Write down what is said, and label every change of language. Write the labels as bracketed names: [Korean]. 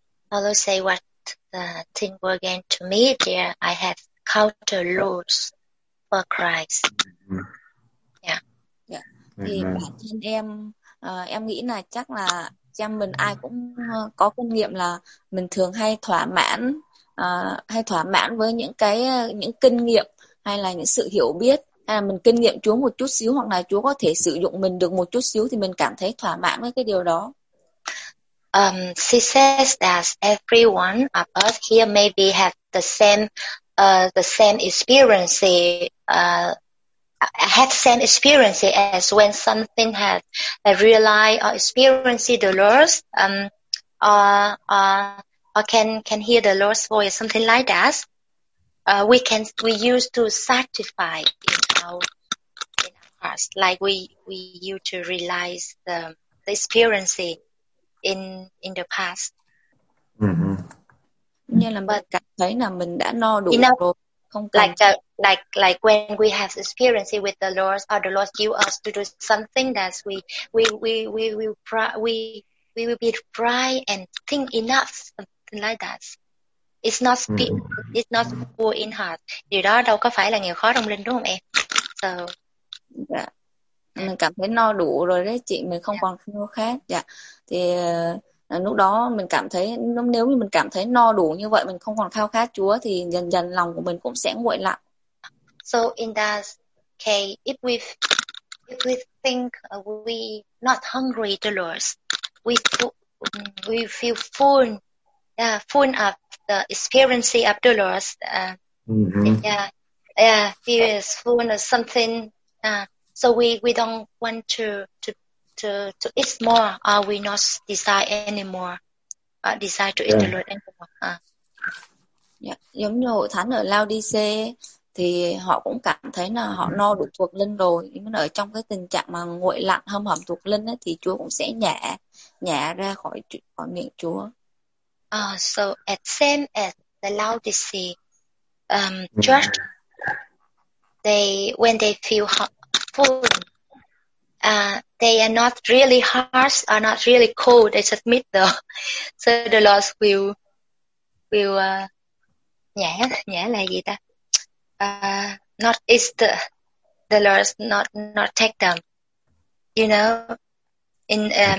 [English] Paulo say what the thing were again to me, there I have counted loss for Christ. Yeah. Yeah. [Vietnamese] Thì bản thân em nghĩ là chắc là cha mình ai cũng có kinh nghiệm là mình thường hay thỏa mãn với những kinh nghiệm hay là những sự hiểu biết. Hay là mình kinh nghiệm Chúa một chút xíu hoặc là Chúa có thể sử dụng mình được một chút xíu thì mình cảm thấy thỏa mãn với cái điều đó. [English] She says that everyone of us here maybe have the same experience, have same experience as when something has realized or experienced the Lord or can hear the Lord's voice, something like that. We used to sanctify in our hearts, like we used to realize the experience in the past. Mm-hmm. [Vietnamese] Như là mình cảm thấy là mình đã no đủ rồi, [English] you know, [Vietnamese] không cần. [English] Like when we have experience with the Lord, or the Lord gives us to do something that we will be pride and think enough, something like that. It's not it's not poor in heart. [Vietnamese] Điều đó đâu có phải là nghèo khó trong linh, đúng không em? [English] So, yeah. [Vietnamese] Mình cảm thấy no đủ rồi đấy chị, mình không còn khó khác. Dạ. Thì lúc đó mình cảm thấy, nếu như mình cảm thấy no đủ như vậy, mình không còn khao khát Chúa, thì dần dần lòng của mình cũng sẽ nguội lặng. [English] So in that case, if we think we not hungry to Lord, we feel full, full of the experience of the Lord. Feel is full of something. So we don't want to eat more, or we not desire anymore, desire to eat the Lord anymore. [Vietnamese] Giống như hội thánh ở Laodice thì họ cũng cảm thấy là họ no đủ thuộc linh rồi, nhưng mà ở trong cái tình trạng mà nguội lặng hâm hầm thuộc linh ấy, thì Chúa cũng sẽ nhả ra khỏi miệng Chúa. [English] So as same as the Laodicea church, when they feel full, they are not really harsh, are not really cold, they submit though. So the Lord will [Vietnamese] nhả là gì ta? [English] Not is the Lord not take them, you know, in